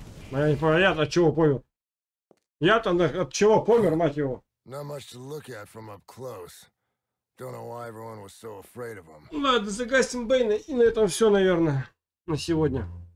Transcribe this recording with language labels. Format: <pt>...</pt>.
<ru>Но я не понял, я от чего помер. Я-то от чего помер, мать его.</ru> <en>Not much to look at from up close. Don't know why everyone was so afraid of him.</en> <ru>Ладно, загасим Бэйна, и на этом все, наверное, на сегодня.</ru>